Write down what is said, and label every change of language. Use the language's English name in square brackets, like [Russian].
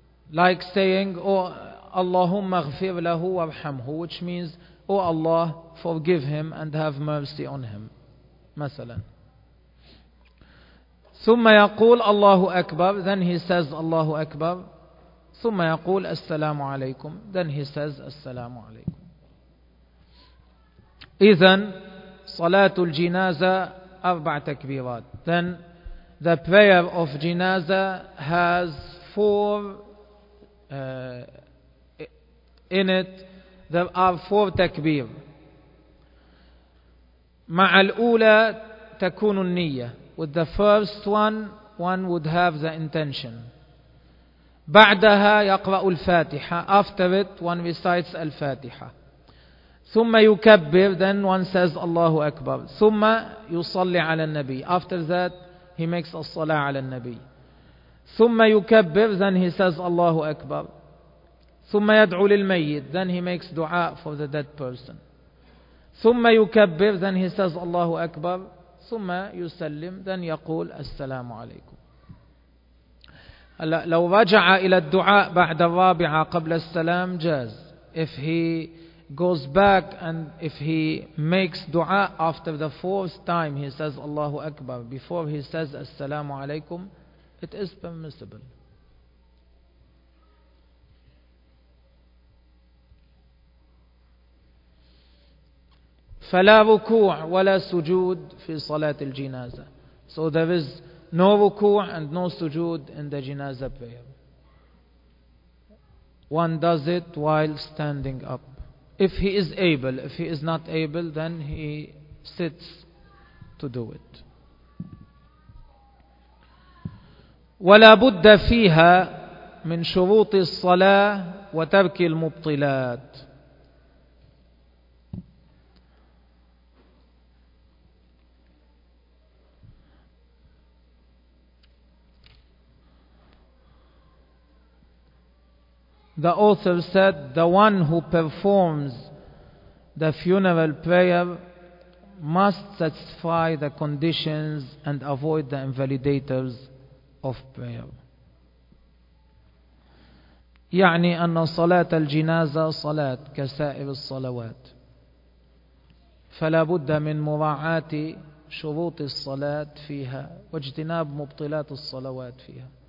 [English] Like saying, "Oh [Arabic] Allahumma ghfir lahu warhamhu," [English] which means, "Oh Allah, forgive him and have mercy on him." [Arabic] Masalan. ثم يقول الله أكبر. [English] Then he says [Arabic] الله أكبر. ثم يقول السلام عليكم. [English] Then he says [Arabic] السلام عليكم. إذن صلاة الجنازة أربع تكبيرات. [English] Then the prayer of جنازه has four in it. There are four تكبير. [Arabic] مع الأولى تكون النية. [English] With the first one, one would have the intention. [Arabic] بعدها يقرأ الفاتحة. [English] After it, one recites الفاتحة. [Arabic] ثم يكبر. [English] Then one says [Arabic] الله أكبر. ثم يصلي على النبي. [English] After that, he makes a الصلاة على النبي. [Arabic] ثم يكبر. [English] Then he says [Arabic] الله أكبر. ثم يدعو للميت. [English] Then he makes دعاء for the dead person. [Arabic] ثم يكبر. [English] Then he says [Arabic] الله أكبر. ثم يسلم. [English] Then [Arabic] يقول السلام عليكم. لو رجع إلى الدعاء بعد الرابعة قبل السلام جاز. [English] If he goes back and if he makes دعاء after the fourth time he says [Arabic] الله أكبر [English] before he says [Arabic] السلام عليكم, [English] it is permissible. [Arabic] فلا ركوع ولا سجود في صلاة الجنازة. [English] So there is no ركوع and no سجود in the جنازة prayer. One does it while standing up. If he is able, if he is not able, then he sits to do it. [Arabic] ولا بد فيها من شروط الصلاة وترك المبطلات. [English] The author said, the one who performs the funeral prayer must satisfy the conditions and avoid the invalidators of prayer. [Arabic] يعني أن صلاة الجنازة صلاة كسائر الصلوات. فلا بد من مراعاة شروط الصلاة فيها واجتناب مبطلات الصلوات فيها.